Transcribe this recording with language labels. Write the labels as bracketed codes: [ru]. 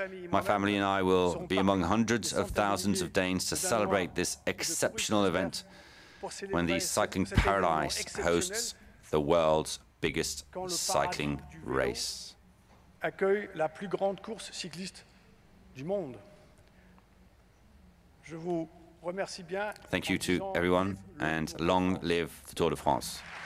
[en] My family and I will be among hundreds of thousands of Danes to celebrate this exceptional event when the cycling paradise hosts the world's biggest cycling race. [fr] Accueille la plus grande course cycliste du monde. Je vous remercie bien. [en] Thank you to everyone, and long live the Tour de France.